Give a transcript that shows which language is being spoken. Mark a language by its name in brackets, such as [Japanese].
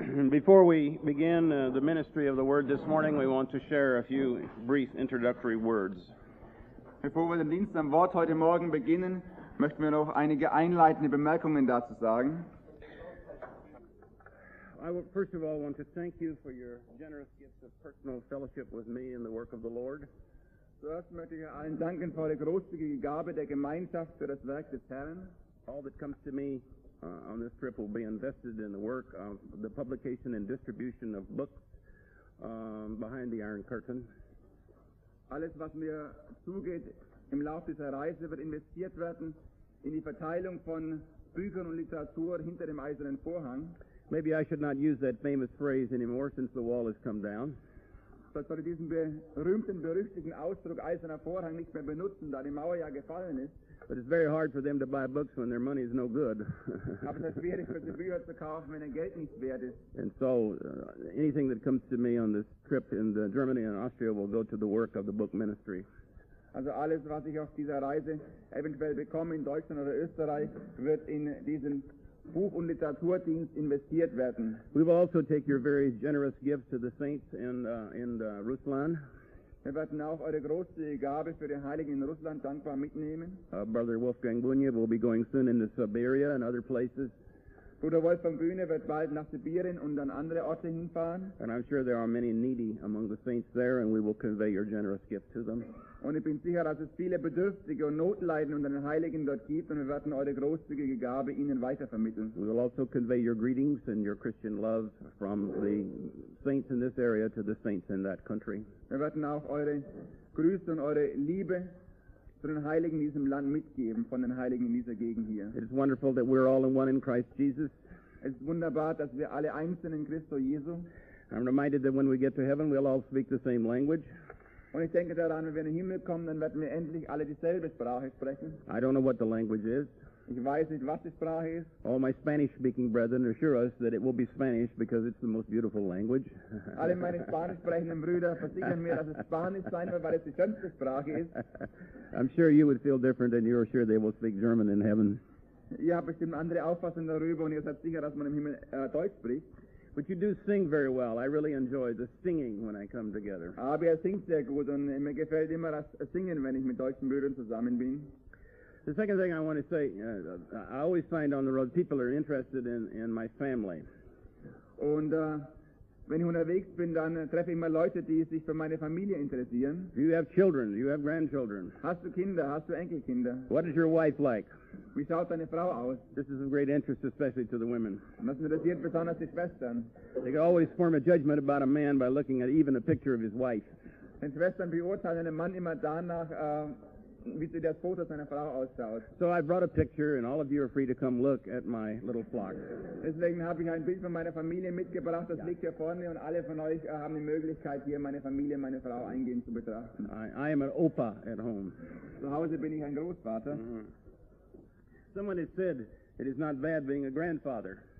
[English] Before we begin the ministry of the word this morning, we want to share a few brief introductory words. [German] Bevor wir den Dienst am Wort heute Morgen beginnen, möchten wir noch einige einleitende Bemerkungen dazu sagen. [English] I would first of all want to thank you for your generous gift of personal fellowship with me in the work of the Lord. [German] Zuerst möchte ich allen danken für die großzügige Gabe der Gemeinschaft für das Werk des Herrn. [English] All that comes to me on this trip will be invested in the work of the publication and distribution of books behind the Iron Curtain. [German] Alles, was mir zugeht im Laufe dieser Reise, wird investiert werden in die Verteilung von Büchern und Literatur hinter dem Eisernen Vorhang. [English] Maybe I should not use that famous phrase anymore since the wall has come down. [German] Vielleicht soll ich diesen berühmten, berüchtigten Ausdruck Eiserner Vorhang nicht mehr benutzen, da die Mauer ja gefallen ist. [English] But it's very hard for them to buy books when their money is no good. [German] Aber es ist schwierig für sie Bücher zu kaufen, wenn ihr Geld nicht wert ist. [English] And so, anything that comes to me on this trip in Germany and Austria will go to the work of the book ministry. [German] Also alles, was ich auf dieser Reise eventuell bekomme in Deutschland oder Österreich, wird in diesen Buch- und Literaturdienst investiert werden. [English] We will also take your very generous gifts to the saints in Ruslan. [German] Wir werden auch eure große Gabe für die Heiligen in Russland dankbar mitnehmen. [English] Brother Wolfgang Bunje will be going soon into Siberia and other places. [German] Bruder Wolfgang Bunje wird bald nach Sibirien und an andere Orte hinfahren. [English] And I'm sure there are many needy among the saints there, and we will convey your generous gift to them. [German] Und ich bin sicher, dass es viele Bedürftige und Notleidende unter den Heiligen dort gibt, und wir werden eure großzügige Gabe ihnen weitervermitteln. [English] We will also convey your greetings and your Christian love from the saints in this area to the saints in that country. [German] Wir werden auch eure Grüße und eure Liebe zu den Heiligen in diesem Land mitgeben, von den Heiligen in dieser Gegend hier. [English] It is wonderful that we're all in one in Christ Jesus. [German] Es ist wunderbar, dass wir alle eins sind in Christo Jesu. [English] I'm reminded that when we get to heaven, we'll all speak the same language. [German] Und ich denke daran, wenn wir in den Himmel kommen, dann werden wir endlich alle dieselbe Sprache sprechen. [English] I don't know what the language is. [German] Ich weiß nicht, was die Sprache ist. [English] All my Spanish-speaking brethren assure us that it will be Spanish because it's the most beautiful language. [German] Alle meine spanisch-sprechenden Brüder versichern mir, dass es Spanisch sein wird, weil es die schönste Sprache ist. [English] I'm sure you would feel different and you're sure they will speak German in heaven. [German] Ihr habt bestimmt andere Auffassungen darüber und ihr seid sicher, dass man im Himmel Deutsch spricht. [English] But you do sing very well. I really enjoy the singing when I come together. [German] Aber ihr singt sehr gut und mir gefällt immer das Singen, wenn ich mit deutschen Brüdern zusammen bin. [English] The second thing I want to say, I always find on the road people are interested in my family. [German] Und wenn ich unterwegs bin, dann treffe ich mal Leute, die sich für meine Familie interessieren. [English] Do you have children? Do you have grandchildren? [German] Hast du Kinder? Hast du Enkelkinder? [English] What is your wife like? [German] Wie schaut deine Frau aus? [English] This is of great interest, especially to the women. [German] Das interessiert besonders die Schwestern. [English] They can always form a judgment about a man by looking at even a picture of his wife. [German] Denn Schwestern beurteilen einen Mann immer danach, wie sie das Foto seiner Frau ausschaut. [English] So I brought a picture and all of you are free to come look at my little flock. [German] Deswegen habe ich ein Bild von meiner Familie mitgebracht, das liegt hier vorne und alle von euch haben die Möglichkeit, hier meine Familie, meine Frau eingehend zu betrachten. [English] I am an Opa at home. [German] Zu Hause bin ich ein Großvater. [English] Someone has said it is not bad being a grandfather.